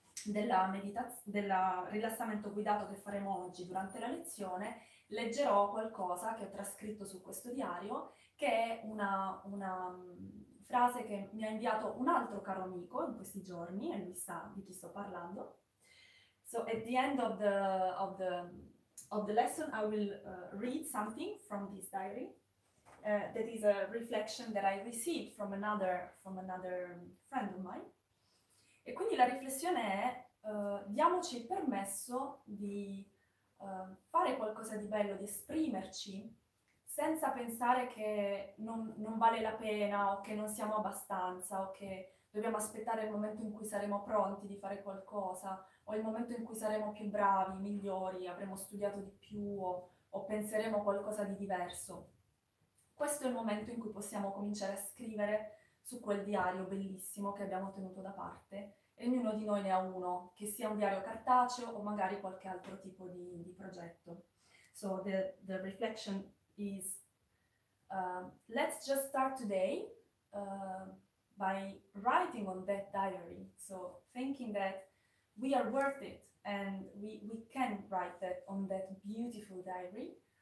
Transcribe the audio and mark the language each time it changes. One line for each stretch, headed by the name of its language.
Italian: rilassamento guidato che faremo oggi durante la lezione, leggerò qualcosa che ho trascritto su questo diario, che è una frase che mi ha inviato un altro caro amico in questi giorni, e lui sa di chi sto parlando.
English: So at the end of the lesson I will read something from this diary. That is a reflection that I received from another friend of mine.
Italian: E quindi la riflessione è, diamoci il permesso di fare qualcosa di bello, di esprimerci, senza pensare che non vale la pena, o che non siamo abbastanza, o che dobbiamo aspettare il momento in cui saremo pronti di fare qualcosa, o il momento in cui saremo più bravi, migliori, avremo studiato di più, o penseremo qualcosa di diverso. Questo è il momento in cui possiamo cominciare a scrivere su quel diario bellissimo che abbiamo tenuto da parte, e ognuno di noi ne ha uno, che sia un diario cartaceo o magari qualche altro tipo di progetto.
English: So the reflection is, let's just start today by writing on that diary, so thinking that we are worth it and we can write that on that beautiful diary.